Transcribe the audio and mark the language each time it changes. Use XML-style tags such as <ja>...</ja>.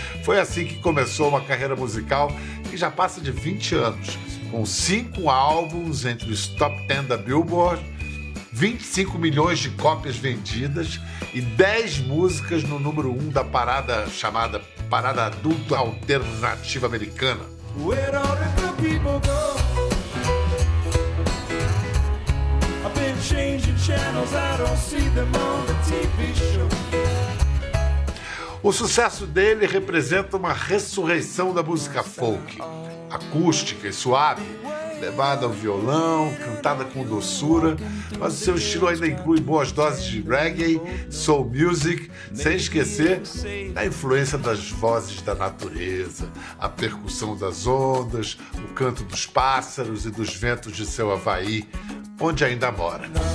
<pt>Foi assim que começou uma carreira musical que já passa de 20 anos, com 5 álbuns entre os top 10 da Billboard, 25 milhões de cópias vendidas e 10 músicas no número 1 da parada chamada Parada Adulto Alternativa Americana.</pt> <en>Where all the people go? I've been changing channels, I don't see them on the TV show.</en> <pt>O sucesso dele representa uma ressurreição da música folk, acústica e suave, levada ao violão, cantada com doçura, mas o seu estilo ainda inclui boas doses de reggae, soul music, sem esquecer da influência das vozes da natureza, a percussão das ondas, o canto dos pássaros e dos ventos de seu Havaí, onde ainda mora.</pt>